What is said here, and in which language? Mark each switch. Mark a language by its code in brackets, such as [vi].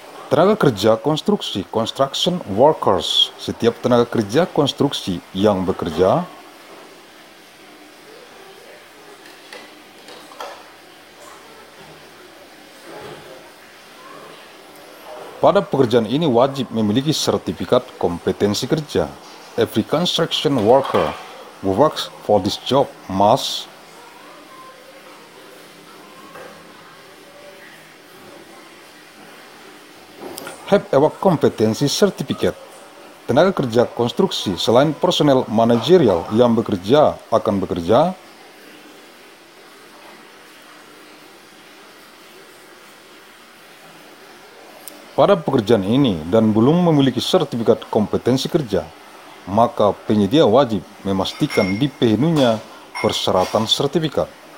[id] Tenaga kerja konstruksi, [en] construction workers, [id] setiap tenaga kerja konstruksi yang bekerja pada pekerjaan ini wajib memiliki sertifikat kompetensi kerja. [en] Every construction worker who works for this job must have a competency certificate. [id] Tenaga kerja konstruksi selain personel manajerial yang bekerja akan bekerja pada pekerjaan ini dan belum memiliki sertifikat kompetensi kerja, maka penyedia wajib memastikan dipenuhinya persyaratan sertifikat.